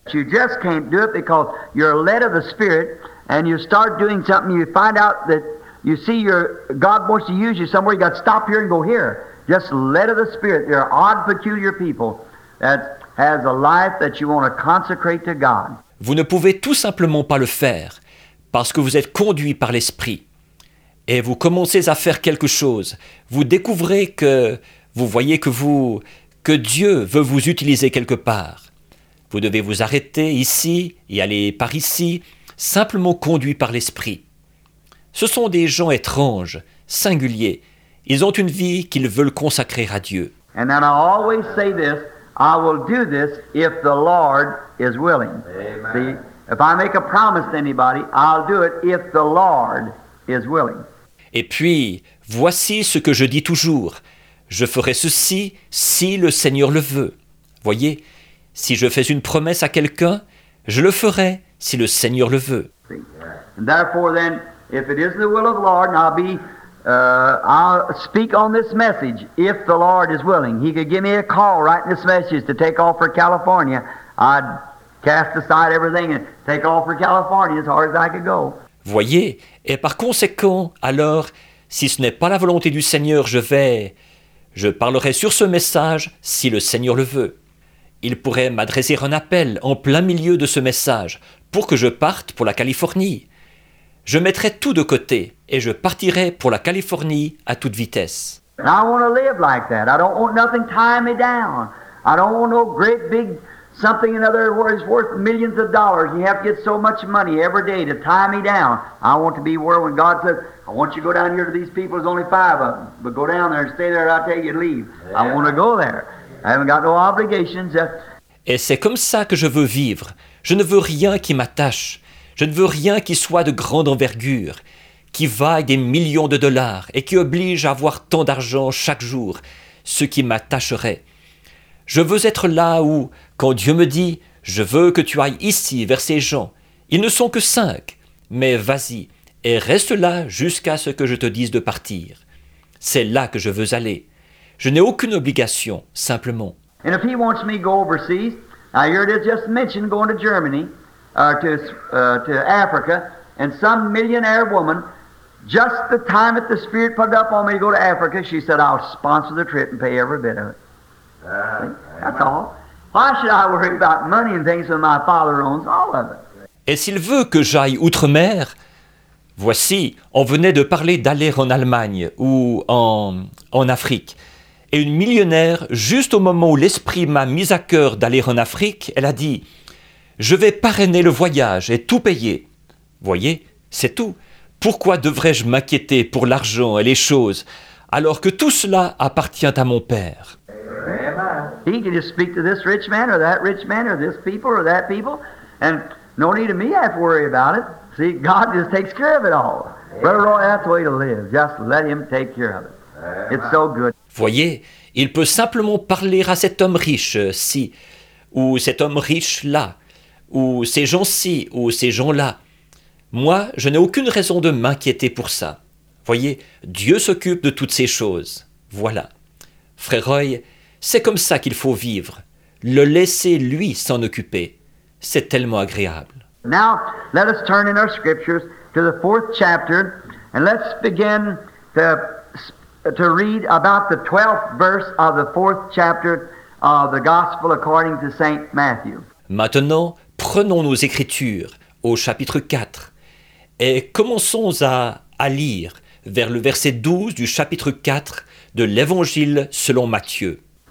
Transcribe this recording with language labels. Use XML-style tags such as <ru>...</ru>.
<en>You just can't do it because you're led of the Spirit and you start doing something, you find out that you see your God wants to use you somewhere, you got to stop here and go here. Just led of the Spirit. There are odd, peculiar people that has a life that you want to consecrate to God.</en> <fr>Vous ne pouvez tout simplement pas le faire parce que vous êtes conduit par l'Esprit. Et vous commencez à faire quelque chose, vous découvrez que, vous voyez que Dieu veut vous utiliser quelque part. Vous devez vous arrêter ici et aller par ici, simplement conduit par l'Esprit. Ce sont des gens étranges, singuliers. Ils ont une vie qu'ils veulent consacrer à Dieu.</fr> <en>And then I always say this, I will do this if the Lord is willing. Amen. See, if I make a promise to anybody, I'll do it if the Lord is willing.</en> <fr>Et puis, voici ce que je dis toujours. Je ferai ceci si le Seigneur le veut. Voyez, si je fais une promesse à quelqu'un, je le ferai si le Seigneur le veut.</fr> <en>And therefore then, if it is the will of the Lord, and I'll speak on this message if the Lord is willing. He could give me a call writing this message to take off for California. I'd cast aside everything and take off for California as hard as I could go.</en> <fr>Voyez, et par conséquent, alors, si ce n'est pas la volonté du Seigneur, je parlerai sur ce message si le Seigneur le veut. Il pourrait m'adresser un appel en plein milieu de ce message pour que je parte pour la Californie. Je mettrai tout de côté et je partirai pour la Californie à toute vitesse.</fr> <en>I don't want to live like that. I don't want nothing tying me down. I don't want no great big something or another where it's worth millions of dollars. You have to get so much money every day to tie me down. I want to be where when God says, I want you to go down here to these people, there's only five of them. But go down there and stay there and I'll tell you to leave. Yeah. I want to go there. I haven't got no obligations.</en> <fr>Et c'est comme ça que je veux vivre. Je ne veux rien qui m'attache. Je ne veux rien qui soit de grande envergure, qui vaille des millions de dollars et qui oblige à avoir tant d'argent chaque jour, ce qui m'attacherait. Je veux être là où, quand Dieu me dit « Je veux que tu ailles ici vers ces gens », ils ne sont que 5, mais vas-y et reste là jusqu'à ce que je te dise de partir. C'est là que je veux aller. Je n'ai aucune obligation, simplement.</fr> <en>And if he wants me to go overseas, I heard it just mentioned going to Germany, to Africa, and some millionaire woman, just the time that the Spirit put up on me to go to Africa, she said, I'll sponsor the trip and pay every bit of it. That's all. Why should I worry about money and things when my father owns all of it?</en> <fr>Et s'il veut que j'aille outre-mer, voici, on venait de parler d'aller en Allemagne ou en Afrique. Et une millionnaire, juste au moment où l'esprit m'a mis à cœur d'aller en Afrique, elle a dit « Je vais parrainer le voyage et tout payer. » Voyez, c'est tout. Pourquoi devrais-je m'inquiéter pour l'argent et les choses, alors que tout cela appartient à mon Père ?</fr> <en>He can just speak to this rich man or this people or that people, and no need of me have to worry about it. See, God just takes care of it all. Brother Roy, that's the way to live. Just let him take care of it. It's so good.</en> <fr>Voyez, il peut simplement parler à cet homme riche-ci, ou cet homme riche-là, ou ces gens-ci, ou ces gens-là. Moi, je n'ai aucune raison de m'inquiéter pour ça. Voyez, Dieu s'occupe de toutes ces choses. Voilà. Frère Roy, c'est comme ça qu'il faut vivre. Le laisser lui s'en occuper. C'est tellement agréable.</fr> <en>Now, let us turn in our scriptures to the fourth chapter, and let's begin to read about the 12th verse of the fourth chapter of the Gospel according to Saint Matthew.</en> <fr>Maintenant, prenons nos Écritures au chapitre 4 et commençons à lire vers le verset 12 du chapitre 4 de l'Évangile selon Matthieu.</fr>